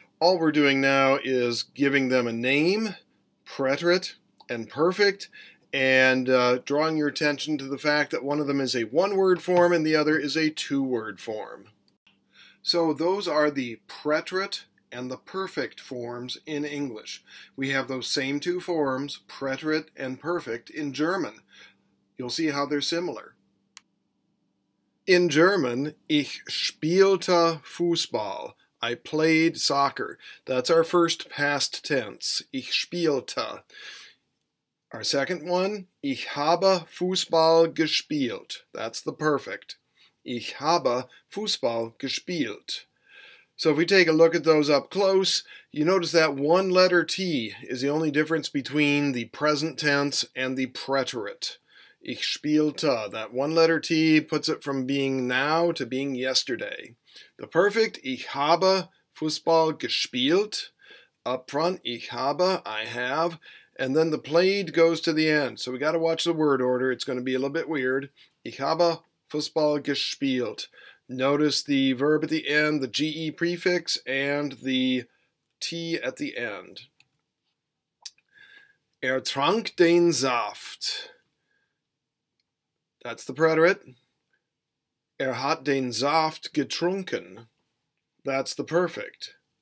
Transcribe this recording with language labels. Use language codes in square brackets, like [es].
[en] All we're doing now is giving them a name, preterite, and perfect, and drawing your attention to the fact that one of them is a one-word form and the other is a two-word form. So those are the preterite and the perfect forms in English. We have those same two forms, preterite and perfect, in German. You'll see how they're similar. In German, [de] ich spielte Fußball. [en] I played soccer. That's our first past tense, [de] ich spielte. [en] Our second one, [de] ich habe Fußball gespielt. [en] That's the perfect. [de] Ich habe Fußball gespielt. [en] So if we take a look at those up close, you notice that one letter T is the only difference between the present tense and the preterite. [de] Ich spielte. [en] That one letter T puts it from being now to being yesterday. The perfect, [de] ich habe Fußball gespielt. [en] Up front, [de] ich habe, [en] I have. And then the played goes to the end. So we got to watch the word order. It's going to be a little bit weird. [de] Ich habe Fußball gespielt. [en] Notice the verb at the end, the GE prefix, and the T at the end. [de] Trank den Saft. [en] That's the preterite. [de] Hat den Saft getrunken. [en] That's the perfect.